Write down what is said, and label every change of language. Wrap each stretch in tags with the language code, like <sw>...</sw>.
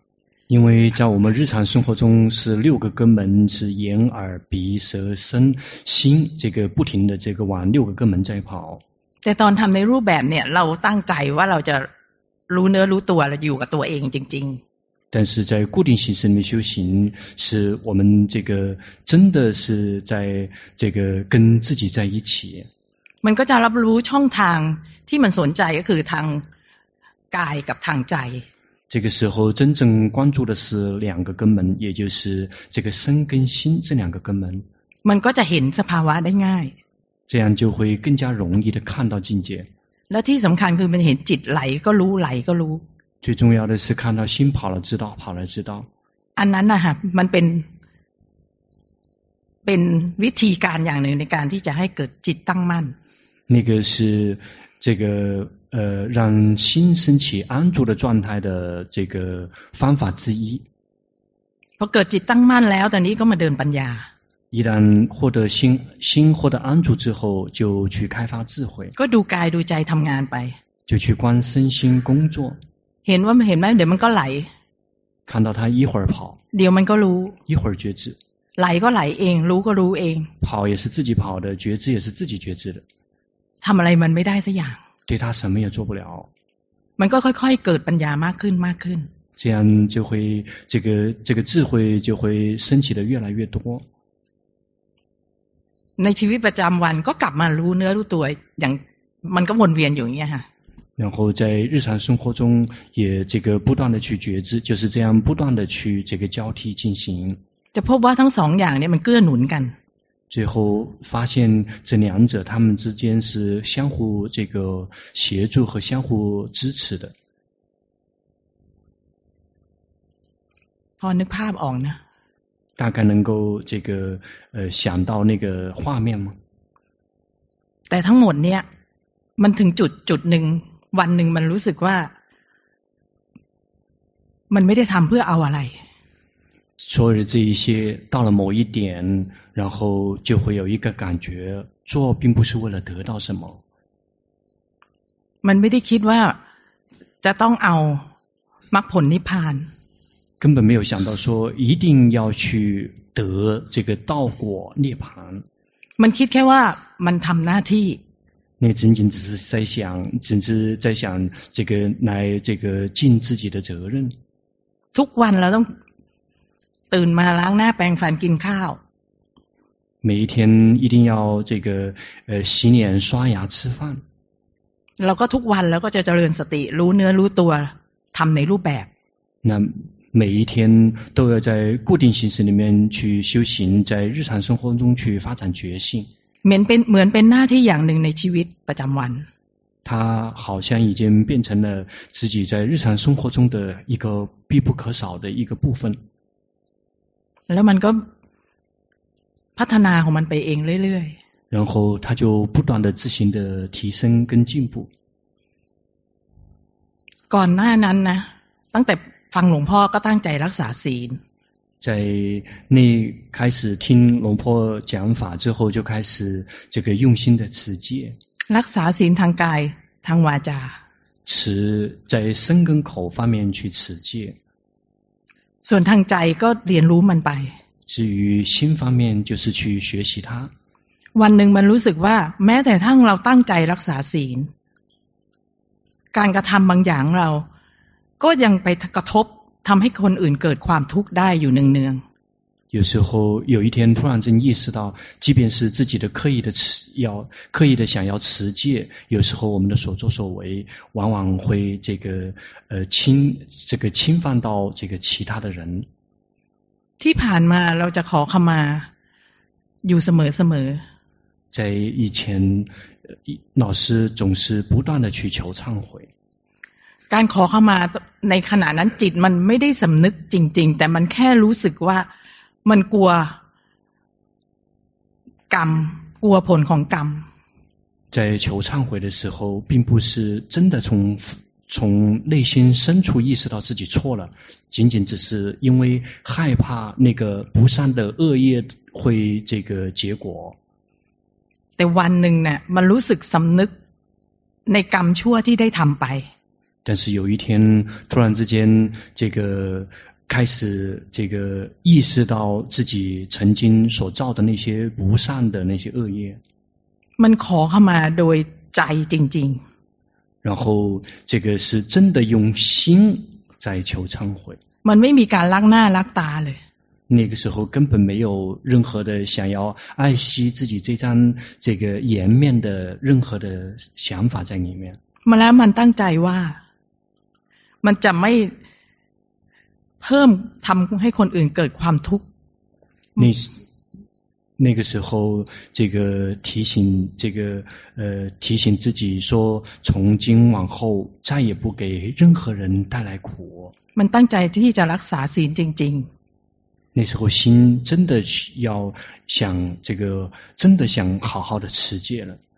<zh>ๆ因为在我们日常生活中是六个根门是眼耳鼻舌身心这个不停的这个往六个根门在跑</zh> <th>แต่ตอนทำในรูปแบบเนี่ยเราตั้งใจว่าเราจะรู้เนื้อรู้ตัวเราอยู่กับตัวเองจริงๆ</th> <zh>但是在固定形式里面修行是我们这个真的是在这个跟自己在一起</zh> <th>มันก็จะรับรู้ช่องทางที่มันสนใจก็คือทางกายกับทางใจ</th> <zh>这个时候真正关注的是两个根门也就是这个身跟心这两个根门</zh> <th>มันก็จะเห็นสภาวะได้ง่าย</th> <zh>这样就会更加容易的看到境界</zh> <th>แล้วที่สำคัญคือมันเห็นจิตไหลก็รู้ไหลก็รู้</th> <zh>最重要的是看到心跑了知道跑了知道</zh> <th>อันนั้นนะฮะมันเป็นวิธีการอย่างหนึ่งในการที่จะให้เกิดจิตตั้งมั่น</th> <zh>那个是这个让心升起安住的状态的这个方法之一。</zh> <th>พอเกิดจิตตั้งมั่นแล้วตอนนี้ก็มาเดินปัญญา</th> <zh>一旦获得心获得安住之后就去开发智慧</zh> <th>ก็ดูกายดูใจทำงานไป</th> <zh>就去观身心工作</zh> <th>เห็นว่าเห็นไหมเดี๋ยวมันก็ไหล</th> <zh>看到他一会儿跑</zh> <th>เดี๋ยวมันก็รู้</th> <zh>一会儿觉知</zh> <th>ไหลก็ไหลเองรู้ก็รู้เอง</th> <zh>跑也是自己跑的觉知也是自己觉知的</zh> <th>ทำอะไรมันไม่ได้สักอย่าง</th> <zh>对他什么也做不了</zh> <th>มันก็ค่อยๆเกิดปัญญามากขึ้นมากขึ้น</th> <zh>这样就会这个智慧就会升起的越来越多</zh> <th>ในชีวิตประจำวันก็กลับมารู้เนื้อรู้ตัวอย่างมันก็วนเวียนอยู่อย่างเงี้ยค่ะ</th> <zh>然后在日常生活中也这个不断的去觉知就是这样不断的去这个交替进行</zh> <th>จะพบว่าทั้งสองอย่างเนี่ยมันเกื้อหนุนกัน</th> <zh>最后发现这两者他们之间是相互这个协助和相互支持的</zh> <th>พอนึกภาพออกนะ</th> <zh>大概能够这个想到那个画面吗</zh> <th>แต่ทั้งหมดเนี่ยมันถึงจุดหนึ่งวันหนึ่งมันรู้สึกว่ามันไม่ได้ทำเพื่อเอาอะไร</th> <zh>所以这一些到了某一点然后就会有一个感觉做并不是为了得到什么</zh> <th>มันไม่ได้คิดว่าจะต้องเอามรรคผลนิพพาน</th> <zh>根本没有想到说一定要去得这个道果涅槃</zh> <th>มันคิดแค่ว่ามันทำหน้าที่</th> <zh>那仅仅只是在想只是在想这个来这个尽自己的责任</zh> <th>ทุกวันเราต้องตื่นมาล้างหน้าแปรงฟันกินข้าว</th> <zh>每一天一定要这个洗脸刷牙吃饭</zh> <th>เราก็ทุกวันเราก็จะเจริญสติรู้เนื้อรู้ตัวทำในรูปแบบ</th> <zh>那每一天都要在固定形式里面去修行在日常生活中去发展觉性</zh> <th>เหมือนเป็นหน้าที่อย่างหนึ่งในชีวิตประจำวัน</th> <zh>它好像已经变成了自己在日常生活中的一个必不可少的一个部分</zh> <th>แล้วมันก็พัฒนาของมันไปเองเรื่อย</th> <zh>ๆ然后它就不断的自行的提升跟进步</zh> <th>ก่อนหน้านั้นนะตั้งแต่ฟังหลวงพ่อก็ตั้งใจรักษาศีล</th> <zh>在那开始听龙婆讲法之后就开始这个用心的持戒</zh> <th>รักษาศีลทางกายทางวาจา</th> <zh>持在身跟口方面去持戒</zh> <th>ส่วนทางใจก็เรียนรู้มันไป</th> <zh>至于心方面就是去学习它</zh> <th>วันหนึ่งมันรู้สึกว่าแม้แต่ทั้งเราตั้งใจรักษาศีลการกระทำบางอย่างเราก็ยังไปกระทบทำให้คนอื่นเกิดความทุกข์ได้อยู่เนือง</th> <zh>ๆ有时候有一天突然间意识到即便是自己的刻意的要刻意的想要持戒有时候我们的所作所为往往会这个侵犯到这个其他的人</zh> <th>ที่ผ่านมาเราจะขอเข้ามาอยู่เสมอ</th> <zh>ๆ在以前老师总是不断的去求忏悔</zh> <th>การขอเข้ามาในขณะนั้นจิตมันไม่ได้สำนึกจริงๆแต่มันแค่รู้สึกว่ามันกลัวกรรมกลัวผลของกรรม</th> <zh>在求忏悔的时候并不是真的从内心深处意识到自己错了仅仅只是因为害怕那个不善的恶业会这个结果</zh> <th>แต่วันหนึ่งเนี่ยมันรู้สึกสำนึกในกรรมชั่วที่ได้ทำไป</th> <zh>但是有一天突然之间这个开始这个意识到自己曾经所造的那些不善的那些恶业</zh> <th>มันขอเข้ามาโดยใจจริง</th> <zh>ๆ然后这个是真的用心在求忏悔</zh> <th>มันไม่มีการลักหน้าลักตาเลย</th> <zh>那个时候根本没有任何的想要爱惜自己这张这个颜面的任何的想法在里面</zh> <th>มาแล้วมันตั้งใจว่ามันจะไม่เพิ่มทำให้คนอื่นเกิดความทุกข์</th> <zh>那个时候这个提醒这个提醒自己说从今往后再也不给任何人带来苦</zh> <th>มันตั้งใจที่จะรักษาศีลจริง</th> <zh>ๆ那时候心真的要想这个真的想好好的持戒了</zh>